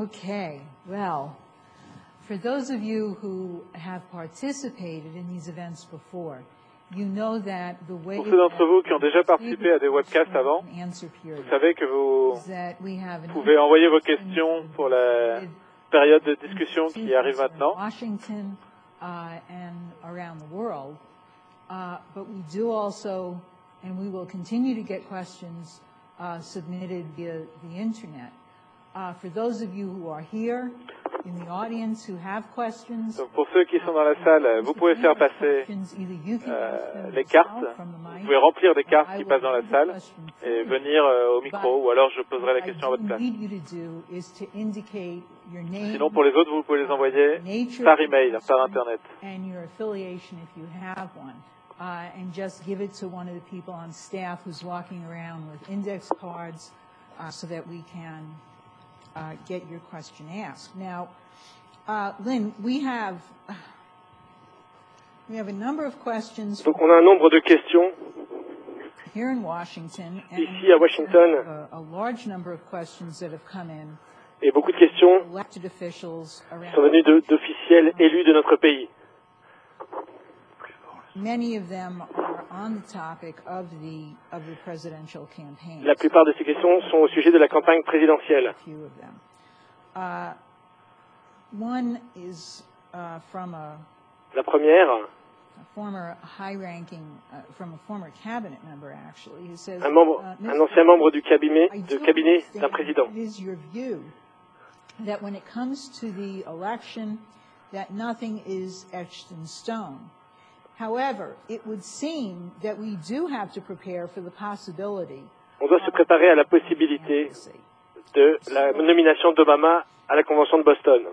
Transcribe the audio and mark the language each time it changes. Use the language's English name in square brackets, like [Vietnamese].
[English] Okay, well, for those of you who have participated in these events before, you know that the way [French] pour ceux d'entre vous qui ont déjà participé à des webcasts avant, vous savez que vous pouvez envoyer vos questions pour la période de discussion qui arrive maintenant. [English] Washington and around the world, but we do also and we will continue to get questions submitted via the internet. For those of you who are here in the audience who have questions, [French] donc pour ceux qui sont dans la salle, vous pouvez faire passer les cartes. Vous pouvez remplir des cartes qui passent dans la salle et venir au micro, ou alors je poserai la question à votre place. Sinon, pour les autres, vous pouvez les envoyer par email, par internet. [English] And your affiliation if you have one. And just give it to one of the people on staff who's walking around with index cards so that we can get your question asked. Now, Lynn, we have a number of questions. [French] Donc on a un nombre de questions. [English] Here in Washington, [French] and ici à Washington, [English] we have a large number of questions that have come in. [French] Et beaucoup de questions [English] elected officials around [French] sont venues d'officiels élus de notre pays. [English] Many of them are on the topic of the presidential campaign. [French] La plupart de ces questions sont au sujet de la campagne présidentielle. [English] One is from [French] la première, [English] a former high-ranking from a former cabinet member actually, who says [French] un ancien membre du cabinet d'un président. [English] Is your view that when it comes to the election that nothing is etched in stone? However, it would seem that we do have to prepare for the possibility. [French] On doit se préparer à la possibilité de la nomination d'Obama à la convention de Boston.